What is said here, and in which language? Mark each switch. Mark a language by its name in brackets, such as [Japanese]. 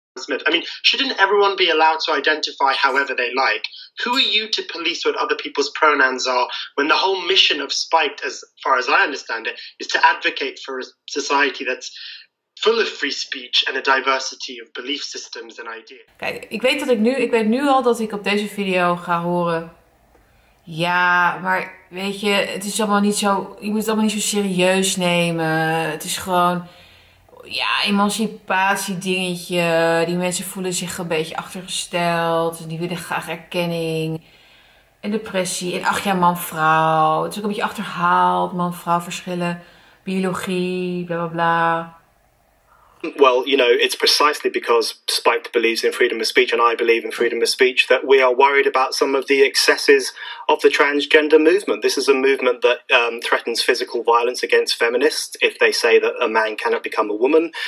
[English] I mean, shouldn't everyone be allowed to identify however they like? Who are you to police what other people's pronouns are when the whole mission of Spiked, as far as I understand it, is to advocate for a society that's full of free speech and a diversity of belief systems and ideas? [Dutch] Kijk, ik weet nu al dat ik op deze video ga horen. Ja, maar weet je, het is allemaal niet zo. Je moet het allemaal niet zo serieus nemen. Het is gewoon. Ja, emancipatie dingetje. Die mensen voelen zich een beetje achtergesteld. Die willen graag erkenning. En depressie. En ach ja, man-vrouw. Het is ook een beetje achterhaald. Man-vrouw verschillen. Biologie, bla bla bla. [English] Well, you know, it's precisely because Spiked believes in freedom of speech and I believe in freedom of speech that we are worried about some of the excesses of the transgender movement. This is a movement that threatens physical violence against feminists if they say that a man cannot become a woman.